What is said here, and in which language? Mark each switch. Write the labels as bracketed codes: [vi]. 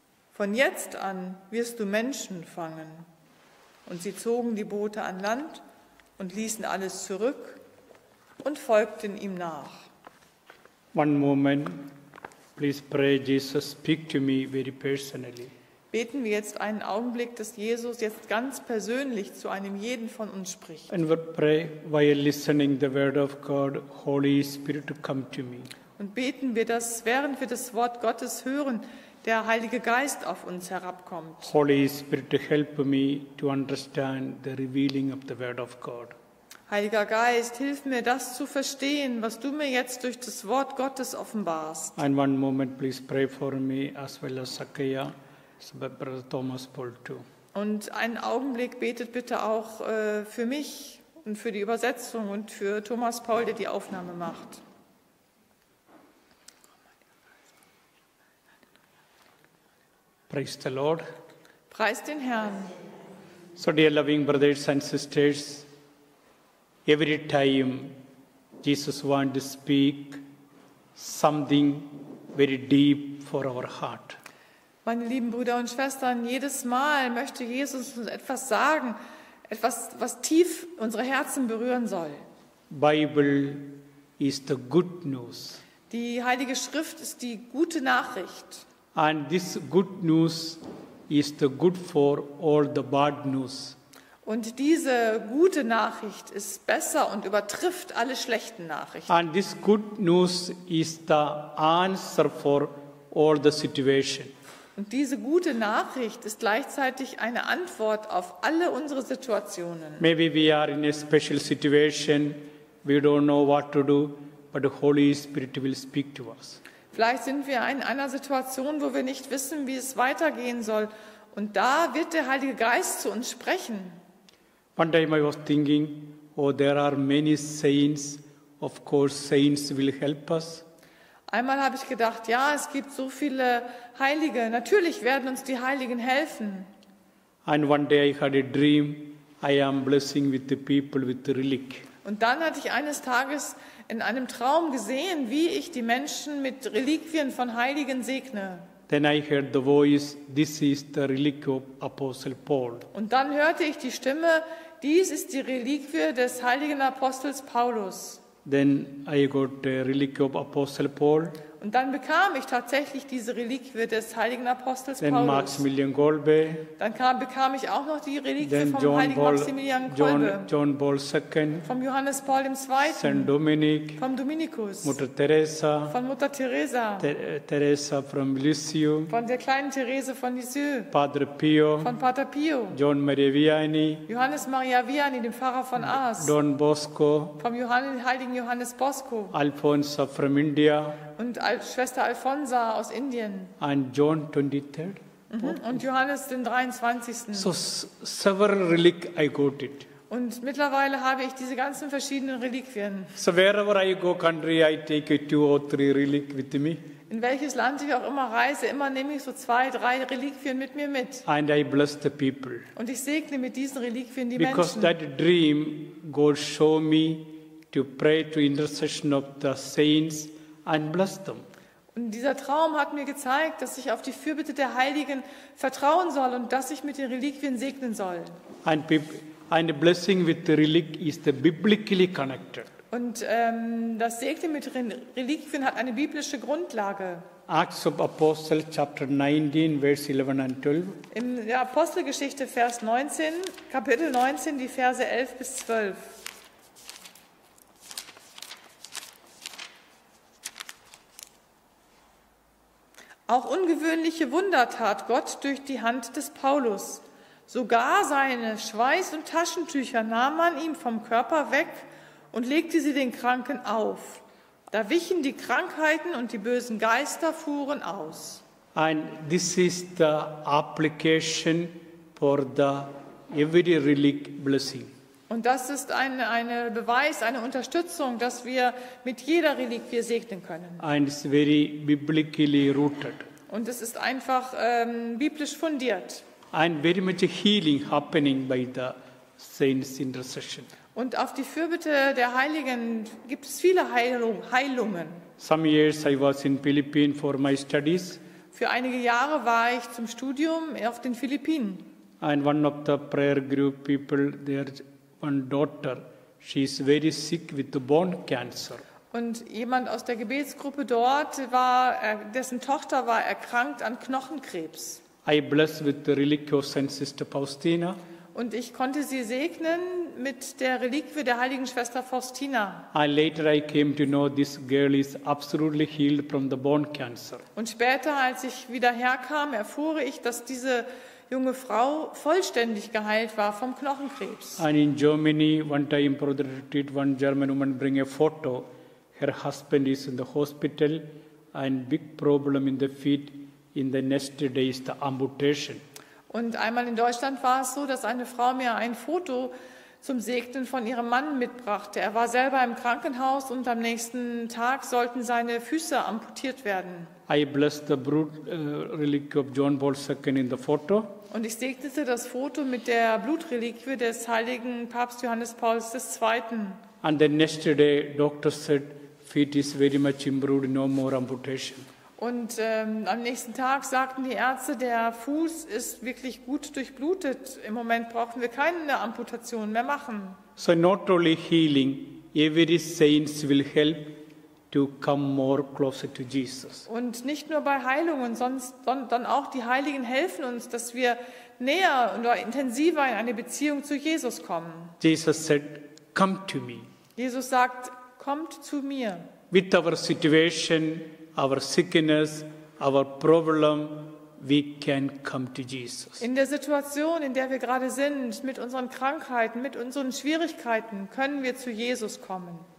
[de] Von jetzt an wirst du Menschen fangen. Und sie zogen die Boote an Land und ließen alles zurück und folgten ihm nach. [en] One moment, please pray, Jesus, speak to me very personally. [de] Beten wir jetzt einen Augenblick, dass Jesus jetzt ganz persönlich zu einem jeden von uns spricht. [en] And we pray while listening the word of God, Holy Spirit, come to me. [de] Und beten wir, dass während wir das Wort Gottes hören, der Heilige Geist auf uns herabkommt. [en] Holy Spirit, help me to understand the revealing of the word of God. [de] Heiliger Geist, hilf mir, das zu verstehen, was du mir jetzt durch das Wort Gottes offenbarst. [en] And one moment, please pray for me as well as Zakia. Brother Thomas Paul too. [de] Und einen Augenblick betet bitte auch für mich und für die Übersetzung und für Thomas Paul, der die Aufnahme macht. [en] Praise the Lord. [de] Preist den Herrn. [en] So, dear loving brothers and sisters, every time Jesus wants to speak something very deep for our heart. [de] Meine lieben Brüder und Schwestern, jedes Mal möchte Jesus uns etwas sagen, etwas, was tief unsere Herzen berühren soll. [en] Bible is the good news. [de] Die Heilige Schrift ist die gute Nachricht. [en] And this good news is the good for all the bad news. [de] Und diese gute Nachricht ist besser und übertrifft alle schlechten Nachrichten. [en] And this good news is the answer for all the situation. [de] Und diese gute Nachricht ist gleichzeitig eine Antwort auf alle unsere Situationen. [en] Maybe we are in a special situation, we don't know what to do, but the Holy Spirit will speak to us. [de] Vielleicht sind wir in einer Situation, wo wir nicht wissen, wie es weitergehen soll, und da wird der Heilige Geist zu uns sprechen. [en] One time I was thinking, oh, there are many saints, of course saints will help us. [de] Einmal habe ich gedacht, ja, es gibt so viele Heilige, natürlich werden uns die Heiligen helfen. [en] And one day I had a dream, I am blessing with the people with the relic. [de] Und dann hatte ich eines Tages in einem Traum gesehen, wie ich die Menschen mit Reliquien von Heiligen segne. [en] Then I heard the voice, this is the relic of Apostle Paul. [de] Und dann hörte ich die Stimme, dies ist die Reliquie des heiligen Apostels Paulus. [en] Then I got a relic of Apostle Paul. [de] Und dann bekam ich tatsächlich diese Reliquie des heiligen Apostels Paulus. Dann [en] Maximilian Kolbe. [de] Dann bekam ich auch noch die Reliquie vom heiligen Maximilian Kolbe. [en] John Paul II. [de] Vom Johannes Paul II. [en] St. Dominik. [de] Vom Dominikus. Mutter Teresa. Von Mutter Teresa. [en] Teresa from Lisieux. [de] Von der kleinen Therese von Lisieux. [en] Padre Pio. [de] Von Pater Pio. [en] John Maria Vianney. [de] Johannes Maria Vianney, dem Pfarrer von Ars. [en] Don Bosco. [de] Vom heiligen Johannes Bosco. [en] Alfonso from India. [de] Und Schwester Alfonsa aus Indien. [en] And John 23rd. [de] Und Johannes den 23. [en] So several reliques I got it. [de] Und mittlerweile habe ich diese ganzen verschiedenen Reliquien. [en] So wherever I go country, I take two or three reliques with me. [de] In welches Land ich auch immer reise, immer nehme ich so zwei, drei Reliquien mit mir mit. [en] And I bless the people. [de] Und ich segne mit diesen Reliquien die [en] Because [de] Menschen. [en] Because that dream God show me to pray to intercession of the saints. And bless them. [de] Und dieser Traum hat mir gezeigt, dass ich auf die Fürbitte der Heiligen vertrauen soll und dass ich mit den Reliquien segnen soll. [en] Eine blessing with the relique is the biblically connected. [de] Und das Segnen mit Reliquien hat eine biblische Grundlage. [en] Acts of Apostles chapter 19 verse 11 and 12. [de] In der Apostelgeschichte Vers 19, Kapitel 19, die Verse 11 bis 12. Auch ungewöhnliche Wunder tat Gott durch die Hand des Paulus. Sogar seine Schweiß- und Taschentücher nahm man ihm vom Körper weg und legte sie den Kranken auf. Da wichen die Krankheiten und die bösen Geister fuhren aus. [en] And this is the application for the every relic blessing. [de] Und das ist eine Beweis, eine Unterstützung, dass wir mit jeder Reliquie segnen können. [en] And it's very biblically rooted. [de] Und es ist einfach biblisch fundiert. [en] And very much healing happening by the saints' intercession. [de] Und auf die Fürbitte der Heiligen gibt es viele Heilungen. [en] Some years I was in Philippines for my studies. [de] Für einige Jahre war ich zum Studium auf den Philippinen. [en] And one of the prayer group people there. One daughter, she is very sick with bone cancer. [de] Und jemand aus der Gebetsgruppe dort war, dessen Tochter war erkrankt an Knochenkrebs. [en] I bless with the reliquio Saint Sister Faustina. [de] Und ich konnte sie segnen mit der Reliquie der heiligen Schwester Faustina. [en] And later I came to know this girl is absolutely healed from the bone cancer. [de] Und später, als ich wieder herkam, erfuhr ich, dass diese junge Frau vollständig geheilt war vom Knochenkrebs. [en] And in Germany, one time, Brother did one German woman bring a photo. Her husband is in the hospital, and big problem in the feet. In the next day is the amputation. [de] Und einmal in Deutschland war es so, dass eine Frau mir ein Foto zum Segnen von ihrem Mann mitbrachte. Er war selber im Krankenhaus und am nächsten Tag sollten seine Füße amputiert werden. [en] I bless the blood relic of John Paul II in the photo. [de] Und ich segnete das Foto mit der Blutreliquie des heiligen Papst Johannes Paul II. [en] And the next day, doctor said, feet is very much improved, no more amputation. [de] Und am nächsten Tag sagten die Ärzte, der Fuß ist wirklich gut durchblutet. Im Moment brauchen wir keine Amputation mehr machen. [en] So not only healing, every saints will help to come more closer to Jesus. [de] Und nicht nur bei Heilungen, sondern auch die Heiligen helfen uns, dass wir näher und intensiver in eine Beziehung zu Jesus kommen. [en] Jesus said, come to me. [de] Jesus sagt, kommt zu mir. [en] With our situation, our sickness, our problem, we can come to Jesus. [de] In der Situation, in der wir gerade sind, mit unseren Krankheiten, mit unseren Schwierigkeiten, können wir zu Jesus kommen.